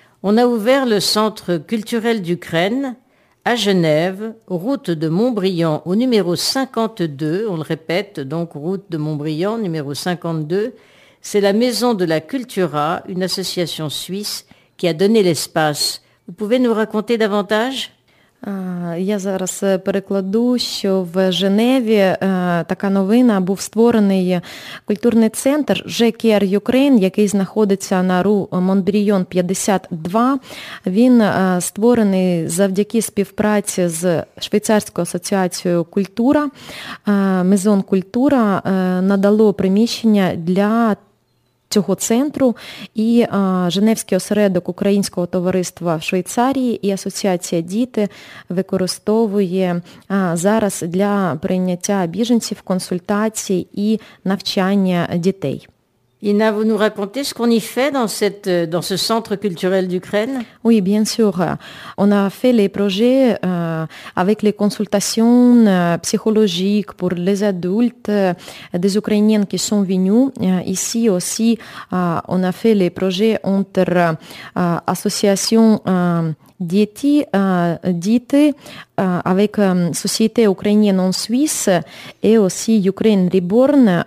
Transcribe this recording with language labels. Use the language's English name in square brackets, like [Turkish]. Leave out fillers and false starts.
[French] On a ouvert le Centre culturel d'Ukraine à Genève, route de Montbrillant au numéro 52, on le répète, donc route de Montbrillant numéro 52. C'est la Maison de la Cultura, une association suisse qui a donné l'espace. [Ukrainian] Ви можете нам розповісти більше? Я зараз перекладу, що в Женеві така новина, був створений культурний центр JKR Ukraine, який знаходиться на Ру Монбріон 52. Він створений завдяки співпраці з Швейцарською асоціацією культура. Maison Культура надало приміщення для цього центру, і Женевський осередок Українського товариства в Швейцарії і Асоціація «Діти» використовує зараз для прийняття біженців, консультацій і навчання дітей. [French] Ina, vous nous racontez ce qu'on y fait dans ce centre culturel d'Ukraine? Oui, bien sûr. On a fait les projets avec les consultations psychologiques pour les adultes, des Ukrainiennes qui sont venues. Ici aussi, on a fait les projets entre associations Дети, діти avec Société Ukrainienne en Suisse et aussi Ukraine Reborn.